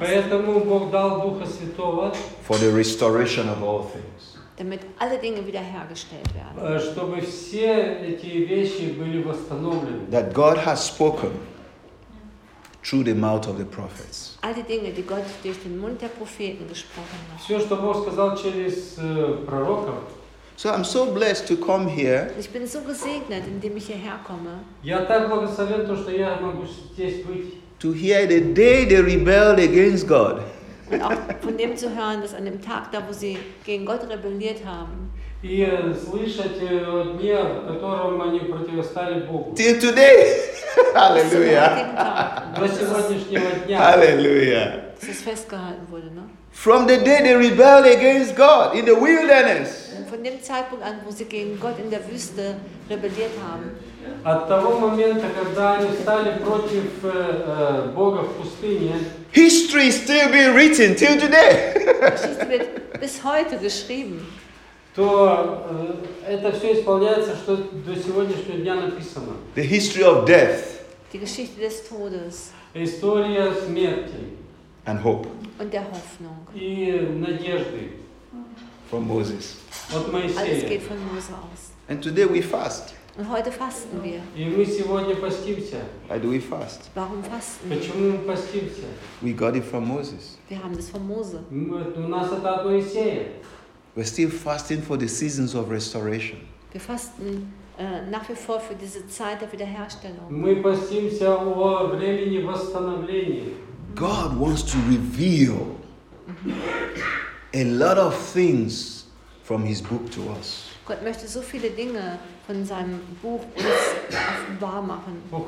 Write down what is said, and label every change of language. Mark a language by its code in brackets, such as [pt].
[ru] Поэтому Бог дал Духа Святого. [en] For the restoration of all things. [de] Damit alle Dinge wiederhergestellt werden. [ru] Чтобы все эти вещи были восстановлены. [en] That God has spoken through the mouth of the prophets. [de] All die Dinge, die Gott durch den Mund der Propheten gesprochen hat. [ru] Все, что Бог сказал через пророков. [en] So I'm so blessed to come here. [de] Ich bin so gesegnet, indem ich hierher komme. [ru] Я так благословен, то что я могу здесь быть. [en] To hear the day they rebelled against God. [de] Und auch von dem zu hören, dass an dem Tag, da wo sie gegen Gott rebelliert haben. [ru] И слышать о дне, в котором они противостали Богу. [en] Till today. Hallelujah. [ru] До сегодняшнего дня. Hallelujah. [de] Dass es festgehalten wurde, ne? [en] From the day they rebelled against God in the wilderness. [de] Von dem Zeitpunkt an, wo sie gegen Gott in der Wüste rebelliert haben. [ru] От того момента, когда они стали против Бога в пустыне. [en] History is still being written till today. [de] Geschichte wird bis heute geschrieben. [ru] То это все исполняется, что до сегодняшнего дня написано. [en] The history of death. [de] Die Geschichte des Todes. [ru] История смерти. [en] And hope. [de] Und der Hoffnung. [ru] И надежды. [en] From Moses. [ru] От Моисея. [de] Alles geht von Mose aus. [en] And today we fast. [de] Und heute fasten wir. [ru] И мы сегодня постимся. [en] Why do we fast? [de] Warum fasten? [ru] Почему мы постимся? [en] We got it from Moses. [de] Wir haben das von Mose. [ru] У нас это от Моисея. [en] We're still fasting for the seasons of restoration. [de] Wir fasten nach wie vor für diese Zeit der Wiederherstellung. [ru] Мы постимся о времени восстановления. [en] God wants to reveal a lot of things from his book to us. [de] Gott möchte so viele Dinge von seinem Buch uns offenbar machen.